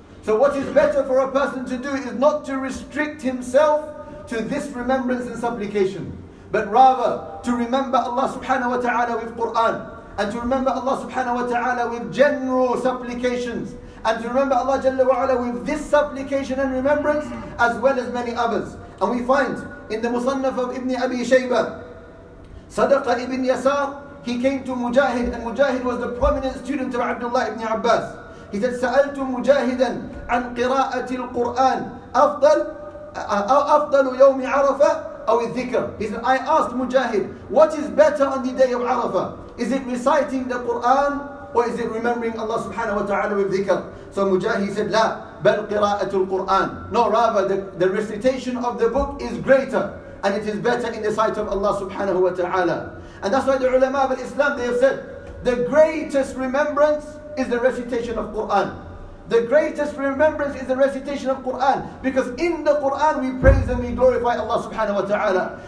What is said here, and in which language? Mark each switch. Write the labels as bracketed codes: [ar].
[en] So what is better for a person to do is not to restrict himself to this remembrance and supplication, but rather to remember Allah subhanahu wa ta'ala with Qur'an, and to remember Allah subhanahu wa ta'ala with general supplications, and to remember Allah jalla wa ala with this supplication and remembrance, as well as many others. And we find in the Musannaf of Ibn Abi Shaybah, Sadaqa ibn Yasar, he came to Mujahid, and Mujahid was the prominent student of Abdullah ibn Abbas. He said, [ar] سَأَلْتُ مُجَاهِدًا عَنْ قِرَاءَةِ الْقُرْآنِ أَفْضَلُ يَوْمِ عَرَفَةِ أَوْ الذِّكْرِ. [en] He said, I asked Mujahid, what is better on the day of Arafah? Is it reciting the Qur'an, or is it remembering Allah subhanahu wa ta'ala with dhikr? So Mujahid said, [ar] لَا بَلْ قِرَاءَةُ الْقُرْآنِ. [en] No, rather, the recitation of the book is greater, and it is better in the sight of Allah subhanahu wa ta'ala. And that's why the ulama of Islam, they have said, the greatest remembrance is the recitation of Qur'an. The greatest remembrance is the recitation of Qur'an. Because in the Qur'an we praise and we glorify Allah subhanahu wa ta'ala.